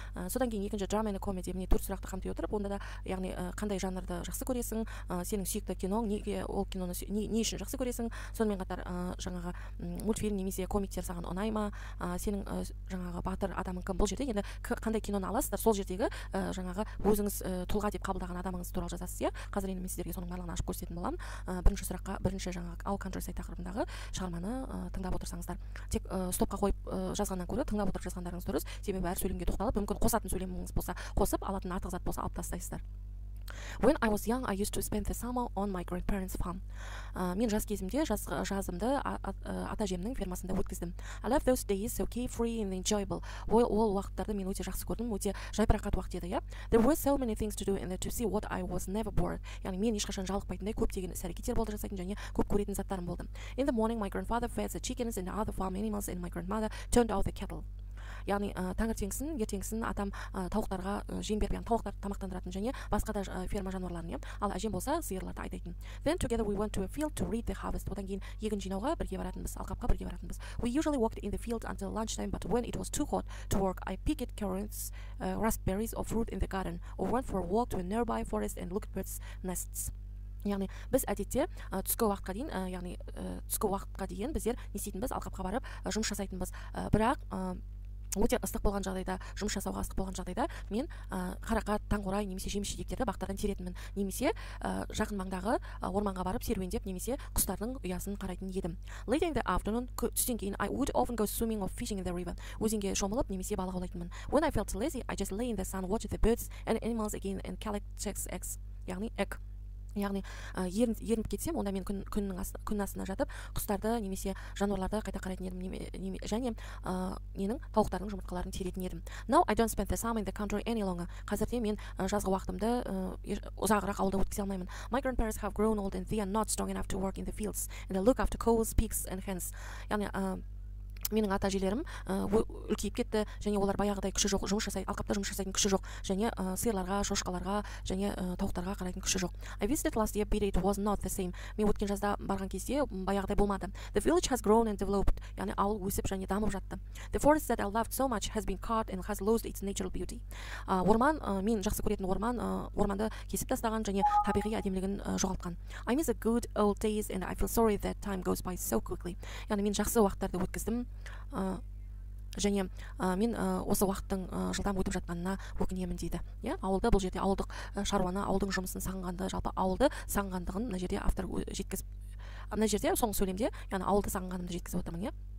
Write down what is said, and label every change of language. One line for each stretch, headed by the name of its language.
Kazakh: Содан кейін екінші
English: drama and comedy,
Kazakh: міне төрт сұрақты қамти отырып, онда да яғни қандай жанрды жақсы көресің, сенің сүйікті киноң неге, ол киноны не үшін жақсы көресің, сонымен қатар жаңағы мультфильм немесе комиктер саған ұнай ма, сенің жаңағы батыр адамың кім, бұл жерде енді қандай киноны аласыздар, сол жердегі жаңағы өзіңіз тұлға деп қабылдаған адамыңыз туралы жазасыз, иә. Қазір енді мен сіздерге соның барлығын ашып көрсететін боламын. Бірінші сұраққа, бірінші жаңағы All Countryside тақырыбындағы шығарманы тыңдап отырсаңыздар. Тек стопқа қойып жазғаннан көрі тыңдап отырып жазғандарыңыз дұрыс, себебі әр сөйлемге тоқталып, мүмкін қосатын сөйлеміңіз болса қосып, алатын артық зат болса алып тастайсыздар.
English: When I was young, I used to spend the summer on my grandparents' farm.
Kazakh: Мен жас кезімде жазымды ата-әжемнің фермасында өткіздім.
English: I love those days, so carefree and enjoyable.
Kazakh: Ол уақыттарды мен өте жақсы көрдім, өте жайбарақат уақыт еді, иә.
English: There were so many things to do and to see what I was never bored.
Kazakh: Яғни мен ешқашан жалықпайтындай көптеген іс-әрекеттер болды жасайтын және көп көретін заттарым болды.
English: In the morning, my grandfather fed the chickens and other farm animals and my grandmother turned out the cattle.
Kazakh: Яғни таңертеңгісін, ертеңгісін атам тауықтарға жем беріп, яғни тауықтарды тамақтандыратын және басқа да ферма жануарларын, иә. Ал әжем болса сиырларды айдайтын.
English: Then together we went to a field to read the harvest.
Kazakh: Одан кейін егін жинауға бірге баратынбыз, алқапқа бірге баратынбыз.
English: We usually walked in the field until lunchtime, but when it was too hot to work, I picked currants, raspberries or fruit in the garden or went for a walk to a nearby forest and looked at birds' nests.
Kazakh: Яғни біз әдетте түскі уақытқа дейін, яғни түскі уақытқа дейін біздер не істейтінбіз, алқапқа барып жұмыс жасайтынбыз. Бірақ өте ыстық болған жағдайда, жұмыс жасауға ыстық болған жағдайда мен қарақат, таңқурай немесе жеміс жидектерді бақтардан теретінмін, немесе жақын маңдағы орманға барып серуендеп немесе құстардың ұясын қарайтын едім.
English: Later in the afternoon,
Kazakh: түстен кейін
English: I would often go swimming or fishing in the river.
Kazakh: Өзенге шомылып немесе балық аулайтынмын.
English: When I felt lazy, I just lay in the sun, watch the birds and animals again and collect chicks eggs.
Kazakh: Яғни egg. Яғни ерініп кетсем, онда мен күннің астына жатып, құстарды немесе жануарларды қайта қарайтын едім, және менің тауықтардың жұмыртқаларын теретін едім.
English: Now I don't spend the summer in the country any longer.
Kazakh: Қазірде мен жазғы уақытымды ұзағырақ ауылда өткізе алмаймын.
English: My grandparents have grown old and they are not strong enough to work in the fields and they look after cows, pigs and hens.
Kazakh: Яғни менің ата әжелерім үлкейіп кетті, және олар баяғыдай күші жоқ, жұмыс жасайды, алқапта жұмыс жасайтын күші жоқ, және сиырларға, шошқаларға және тауықтарға қарайтын күші жоқ.
English: I visited last year, but it was not the same.
Kazakh: Мен өткен жазда барған кезде баяғыдай болмады.
English: The village has grown and developed.
Kazakh: Яғни ауыл өсіп және дамып жатты.
English: The forest that I loved so much has been cut and has lost its natural beauty.
Kazakh: Орман, мен жақсы көретін орман, орманды кесіп тастаған және табиғи әдемілігін жоғалтқан.
English: I miss the good old days and I feel sorry that time goes by so quickly.
Kazakh: Яғни мен жақсы уақыттарды өткіздім. Және мен осы уақыттың жылдам өтіп жатқанына өкінемін дейді. Иә, ауылда бұл жерде ауылдық шаруаны, ауылдың жұмысын сағынғанды, жалпы ауылды сағынғандығын мына жерде автор жеткізіп, мына жерде соңғы сөйлемде, яғни ауылды сағынғанымды жеткізіп отырмын, иә.